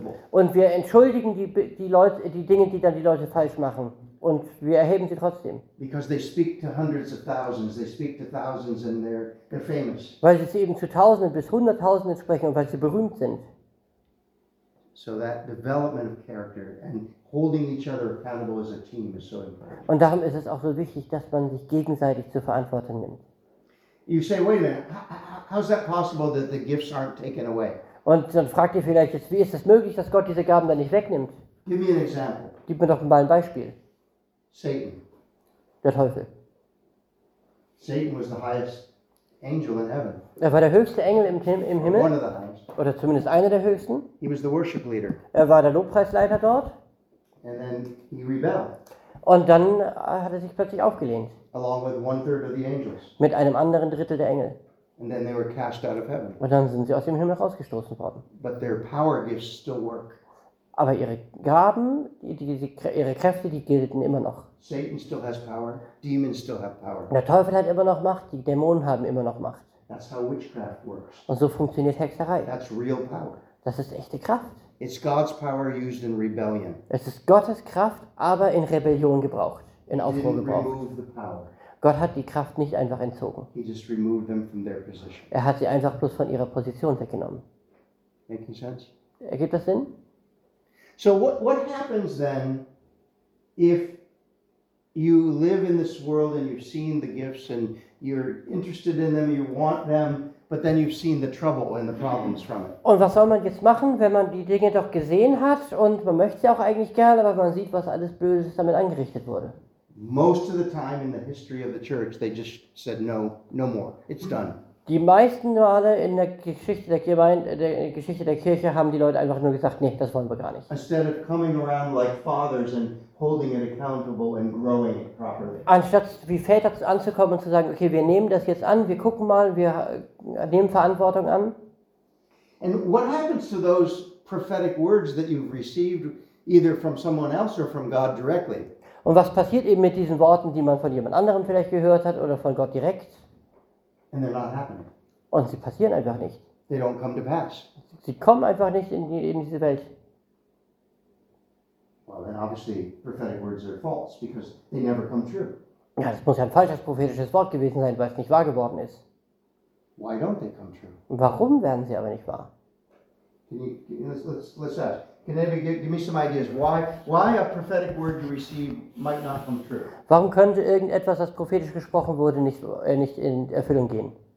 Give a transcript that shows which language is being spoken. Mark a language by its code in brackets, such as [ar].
[de] Und wir entschuldigen die Leute, die Dinge, die dann die Leute falsch machen. Und wir erheben sie trotzdem. Weil sie eben zu Tausenden bis Hunderttausenden sprechen und weil sie berühmt sind. [en] So that development of character and holding each other accountable as a team is so important. [de] Und darum ist es auch so wichtig, dass man sich gegenseitig zur Verantwortung nimmt. [en] You say, wait a minute, how is that possible that the gifts aren't taken away? [de] Und dann fragt ihr vielleicht jetzt, wie ist es möglich, dass Gott diese Gaben dann nicht wegnimmt? [en] Give me an example. [de] Gib mir doch mal ein Beispiel. [en] Satan. [de] Der Teufel. [en] Satan was the highest angel in heaven. [de] Er war der höchste Engel im Himmel. [en] One of the highest. [de] Oder zumindest einer der höchsten. [en] He was the worship leader. [de] Er war der Lobpreisleiter dort. [en] And then he rebelled. [de] Und dann hat er sich plötzlich aufgelehnt. [en] Along with one third of the angels. [de] Mit einem anderen Drittel der Engel. [en] And then they were cast out of heaven. [de] Und dann sind sie aus dem Himmel rausgestoßen worden. [en] But their power gifts still work. [de] Aber ihre Gaben, ihre Kräfte, die gelten immer noch. [en] Satan still has power. Demons still have power. [de] Der Teufel hat immer noch Macht, die Dämonen haben immer noch Macht. [en] That's how witchcraft works. [de] Und so funktioniert Hexerei. [en] That's real power. [de] Das ist echte Kraft. [en] It's God's power used in rebellion. [de] Es ist Gottes Kraft, aber in Rebellion gebraucht, in Aufruhr gebraucht. [en] He didn't remove the power. [de] Gott hat die Kraft nicht einfach entzogen. [en] He just removed them from their position. [de] Er hat sie einfach bloß von ihrer Position weggenommen. [en] Making sense? [de] Ergibt das Sinn? [en] So what happens then if you live in this world and you've seen the gifts and you're interested in them, you want them, but then you've seen the trouble and the problems from it. [de] Und was soll man jetzt machen, wenn man die Dinge doch gesehen hat und man möchte sie auch eigentlich gerne, aber man sieht, was alles Böses damit angerichtet wurde? [en] Most of the time in the history of the church, they just said no, no more. It's done. [de] Die meisten Male in der Geschichte der Gemeinde, der Geschichte der Kirche, haben die Leute einfach nur gesagt, nee, das wollen wir gar nicht. [en] Instead of coming around like fathers and holding it accountable and growing it properly. [de] Anstatt wie Väter anzukommen und zu sagen, okay, wir nehmen das jetzt an, wir gucken mal, wir nehmen Verantwortung an. [en] And what happens to those prophetic words that you've received either from someone else or from God directly? [de] Und was passiert eben mit diesen Worten, die man von jemand anderem vielleicht gehört hat oder von Gott direkt? [en] And they're not happening. [de] Und sie passieren einfach nicht. [en] They don't come to pass. [de] Sie kommen einfach nicht in diese Welt. [en] Well, then obviously prophetic words are false because they never come true. [de] Ja, das muss ja ein falsches prophetisches Wort gewesen sein, weil es nicht wahr geworden ist. [en] Why don't they come true? [de] Warum werden sie aber nicht wahr? [en] Let's ask. Can anybody give me some ideas why a prophetic word you receive might not come true? [de] Warum könnte irgendetwas, das prophetisch gesprochen wurde, nicht in Erfüllung gehen?